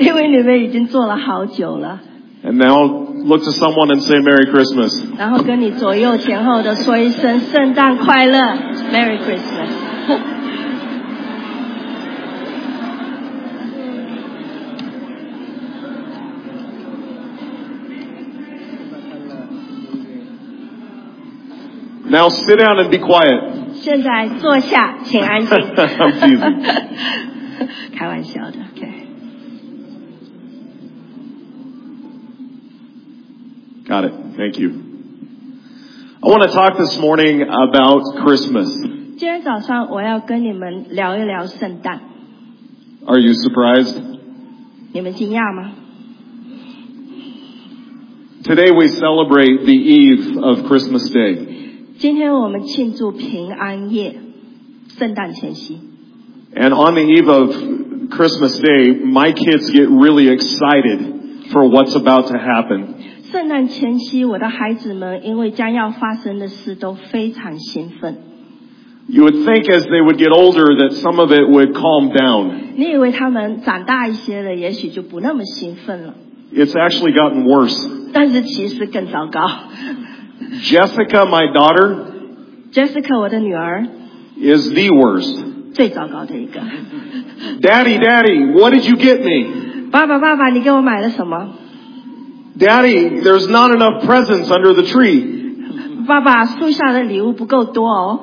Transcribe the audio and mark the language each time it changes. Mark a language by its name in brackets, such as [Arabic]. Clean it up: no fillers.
[Chinese] 因为你们已经坐了好久了。 [English] And now look to someone and say Merry Christmas. [Chinese] 然后跟你左右前后的说一声圣诞快乐， [English] Merry Christmas. Now sit down and be quiet. [Chinese] 现在坐下，请安静。 [English] I'm teasing. [Chinese] 开玩笑的。Okay. [English] Got it. Thank you. I want to talk this morning about Christmas. [Chinese] 今天早上我要跟你们聊一聊圣诞。 [English] Are you surprised? [Chinese] 你们惊讶吗？ [English] Today we celebrate the eve of Christmas Day. [Chinese] 今天我们庆祝平安夜，圣诞前夕。 [English] And on the eve of Christmas Day, my kids get really excited for what's about to happen. [Chinese] 圣诞前夕，我的孩子们因为将要发生的事都非常兴奋。 [English] You would think as they would get older that some of it would calm down. [Chinese] 你以为他们长大一些了，也许就不那么兴奋了。 [English] It's actually gotten worse. [Chinese] 但是其实更糟糕。 [English] Jessica, my daughter, [Chinese] Jessica, 我的女儿 [English] is the worst. [Chinese] 最糟糕的一个 [English] Daddy, Daddy, what did you get me? [Chinese] 爸爸爸爸你给我买了什么 [English] Daddy, there's not enough presents under the tree. [Chinese] 爸爸树下的礼物不够多哦